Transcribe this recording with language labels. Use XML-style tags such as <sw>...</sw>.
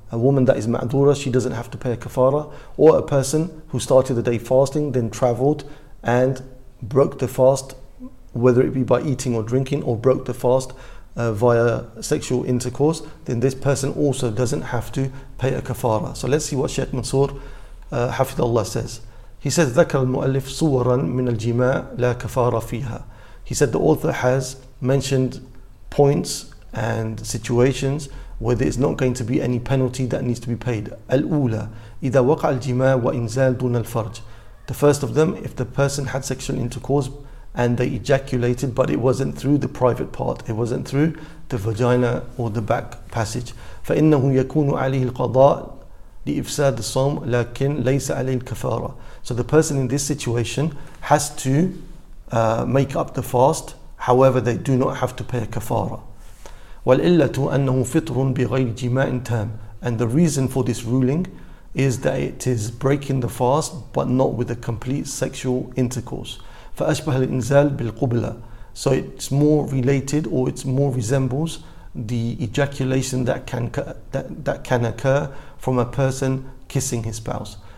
<en>A woman that is ma'dura, she doesn't have to pay a kafara. Or a person who started the day fasting, then traveled and broke the fast, whether it be by eating or drinking, or broke the fast via sexual intercourse, then this person also doesn't have to pay a kafara. So let's see what Sheikh Mansour Hafidhullah says. He says,</en> <ar>ذَكَرَ الْمُؤَلِّفْ صُوَرًا مِنَ الْجِمَاءِ لَا كَفَارَ فِيهَا.</ar> <en>He said the author has mentioned points and situations where there is not going to be any penalty that needs to be paid.</en> <ar>الْأُولَى إِذَا وَقَعَ الْجِمَاءِ وَإِنْزَالُ دُونَ الْفَرْجِ.</ar> <en>The first of them, if the person had sexual intercourse and they ejaculated, but it wasn't through the private part, it wasn't through the vagina or the back passage.</en> <ar>فَإِنَّهُ يَكُونُ عَلَيْهِ الْقَضَاءِ لإفساد الصوم لكن ليس عليه الكفارة.</ar> <en>So the person in this situation has to make up the fast, however they do not have to pay a kafara.</en> <ar>والعلة أنه فطر بغير جماع تام.</ar> <en>And the reason for this ruling is that it is breaking the fast but not with a complete sexual intercourse.</en> <ar>فأشبه الإنزال بالقبلة.</ar> <en>So it's more related, or it's more resembles the ejaculation that can occur from a person kissing his spouse.</en>